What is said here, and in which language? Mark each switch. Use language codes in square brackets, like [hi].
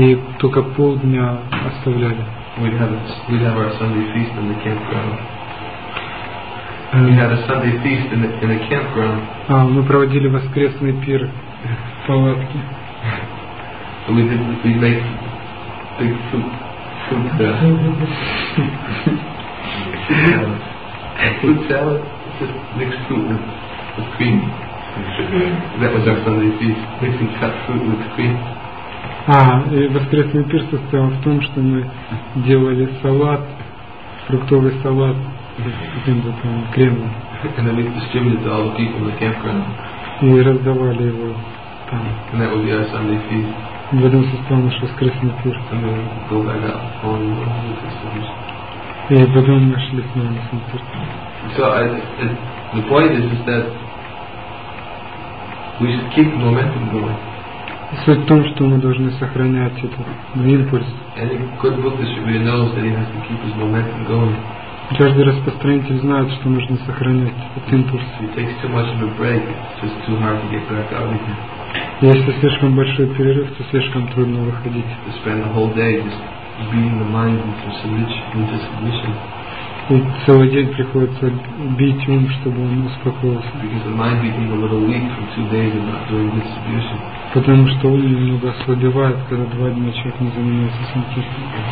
[ru] И только полдня оставляли. [en] We'd have our Sunday feast in the campground. We had a Sunday feast in the campground. [ru] А мы проводили воскресный пир в палатке. [en] We made big food. Food salad. Mixed fruit with cream. That was our Sunday feast. Mixing cut fruit with cream. [ru] И воскресный пир состоял в том, что мы делали салат, фруктовый салат с каким-то кремом. [en] And then we distributed to all the people in the campground. [ru] И раздавали его там. [en] And that would be our Sunday feast. [ru] В этом состоял наш воскресный пир. [en] And then we'd go back up on the Sundays. [ru] И потом мы шли к нам на санкиртан. [en] So the point is that we should keep the momentum going. [ru] Суть в том, что мы должны сохранять этот импульс. [en] Any good book distributor knows that he has to keep his momentum going. [ru] Каждый распространитель знает, что нужно сохранять этот импульс. [en] If it takes too much of a break, it's just too hard to get back out again. [ru] Если слишком большой перерыв, то слишком трудно выходить. [en] To spend the whole day just beating the mind into submission. [ru] И целый день приходится бить ум, чтобы он успокоился. [en] Because the mind became a little weak from 2 days of not doing distribution. [ru] Потому что ум немного ослабевает, когда 2 дня человек не занимается санкиртаном.